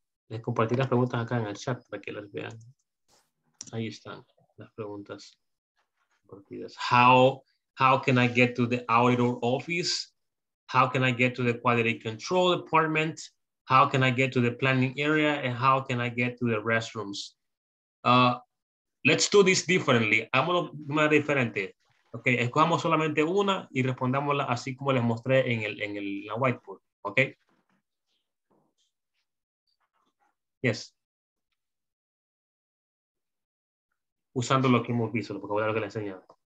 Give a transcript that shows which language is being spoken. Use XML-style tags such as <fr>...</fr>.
<es>Les compartí las preguntas acá en el chat para que las vean. Ahí están las preguntas.</es> <en>How can I get to the auditor office? How can I get to the quality control department? How can I get to the planning area? And how can I get to the restrooms? Let's do this differently.</en> <es>Hagámoslo de manera diferente. Okay, escojamos solamente una y respondámosla así como les mostré en el la whiteboard. Okay.</es> <en>Yes.</en> <es>Usando lo que hemos visto, lo que le he enseñado.</es>